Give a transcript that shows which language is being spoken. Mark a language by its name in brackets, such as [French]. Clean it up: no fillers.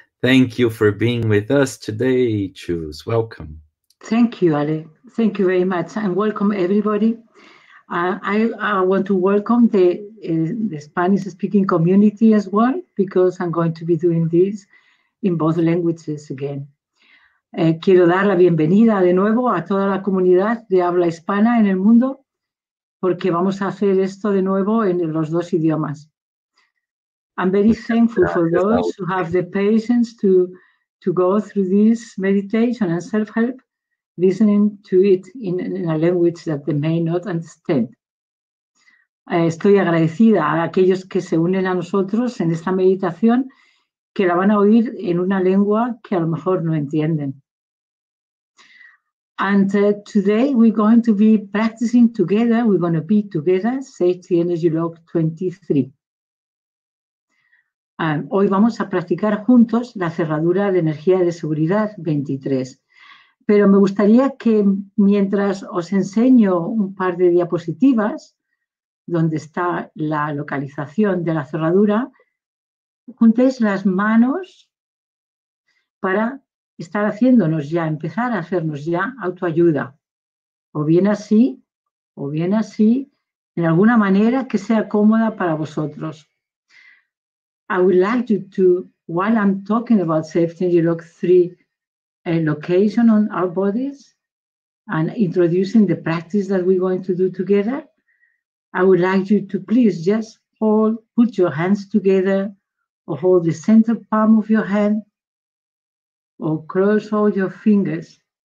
[English] Thank you for being with us today, Jules. Welcome. Thank you, Ale. Thank you very much. And welcome, everybody. I want to welcome the Spanish-speaking community as well, because I'm going to be doing this in both languages again. [Spanish] Quiero dar la bienvenida de nuevo a toda la comunidad de habla hispana en el mundo, porque vamos a hacer esto de nuevo en los dos idiomas. [English] I'm very thankful for those who have the patience to go through this meditation and self-help, listening to it in a language that they may not understand. [Spanish] Estoy agradecida a aquellos que se unen a nosotros en esta meditación, que la van a oír en una lengua que a lo mejor no entienden. [English] And today we're going to be practicing together, we're going to be together, Safety Energy Log 23. [Spanish] Hoy vamos a practicar juntos la cerradura de energía de seguridad 23. Pero me gustaría que mientras os enseño un par de diapositivas donde está la localización de la cerradura, juntéis las manos para estar haciéndonos ya, empezar a hacernos ya autoayuda, o bien así, en alguna manera que sea cómoda para vosotros. [English] I would like you to, while I'm talking about Safety Energy Log 3, location on our bodies and introducing the practice that we're going to do together, I would like you to please just hold, put your hands together, or hold the center palm of your hand, or cross all your fingers.